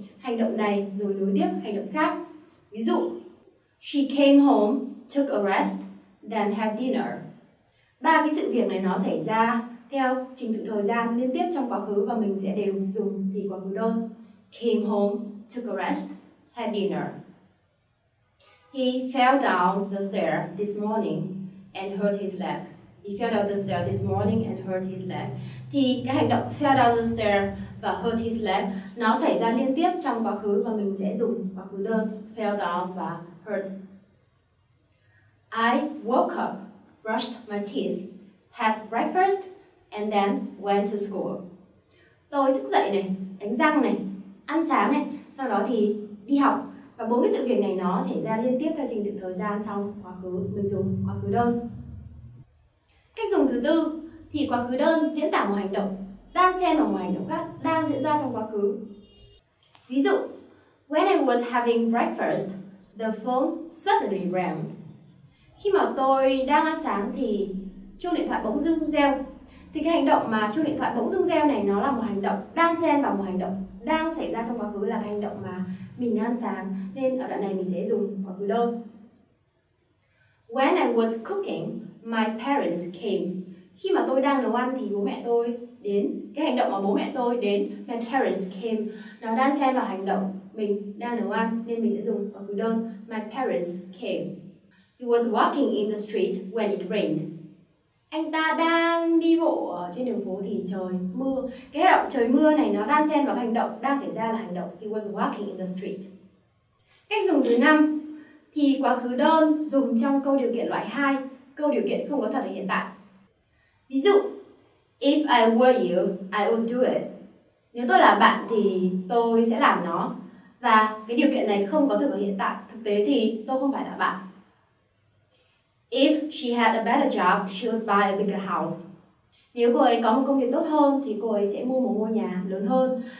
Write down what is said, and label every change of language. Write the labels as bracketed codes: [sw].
[vi] Hành động này rồi nối tiếp hành động khác. Ví dụ, [en] she came home, took a rest, then had dinner. [vi] Ba cái sự việc này nó xảy ra theo trình tự thời gian liên tiếp trong quá khứ và mình sẽ đều dùng thì quá khứ đơn. [en] Came home, took a rest, had dinner. He fell down the stair this morning and hurt his leg. He fell down the stair this morning and hurt his leg. [vi] Thì cái hành động [en] fell down the stair [vi] và [en] hurt his leg [vi] nó xảy ra liên tiếp trong quá khứ và mình sẽ dùng quá khứ đơn fell down và hurt. [en] I woke up, brushed my teeth, had breakfast and then went to school. [vi] Tôi thức dậy này, đánh răng này, ăn sáng này, sau đó thì đi học. Và bốn cái sự việc này nó xảy ra liên tiếp theo trình tự thời gian trong quá khứ, mình dùng quá khứ đơn. Cách dùng thứ tư thì quá khứ đơn diễn tả một hành động đang xen vào một hành động khác đang diễn ra trong quá khứ. Ví dụ, [en] when I was having breakfast, the phone suddenly rang. [vi] Khi mà tôi đang ăn sáng thì chuông điện thoại bỗng dưng reo. Thì cái hành động mà chuông điện thoại bỗng dưng reo này nó là một hành động đang xen vào một hành động đang xảy ra trong quá khứ, là cái hành động mà mình đang ăn sáng. Nên ở đoạn này mình sẽ dùng quá khứ đơn. [en] When I was cooking, my parents came. [vi] Khi mà tôi đang nấu ăn thì bố mẹ tôi đến. Cái hành động mà bố mẹ tôi đến, [en] my parents came, [vi] nó đang xen vào hành động mình đang nấu ăn nên mình sẽ dùng quá khứ đơn. [en] My parents came. He was walking in the street when it rained. [vi] Anh ta đang đi bộ trên đường phố thì trời mưa. Cái hành động trời mưa này nó đan xen vào hành động đang xảy ra là hành động [en] he was walking in the street. [vi] Cách dùng thứ 5 thì quá khứ đơn dùng trong câu điều kiện loại 2, câu điều kiện không có thật ở hiện tại. Ví dụ, [en] if I were you, I would do it. [vi] Nếu tôi là bạn thì tôi sẽ làm nó. Và cái điều kiện này không có thực ở hiện tại, thực tế thì tôi không phải là bạn. [en] If she had a better job, she would buy a bigger house. [vi] Nếu cô ấy có một công việc tốt hơn thì cô ấy sẽ mua một ngôi nhà lớn hơn.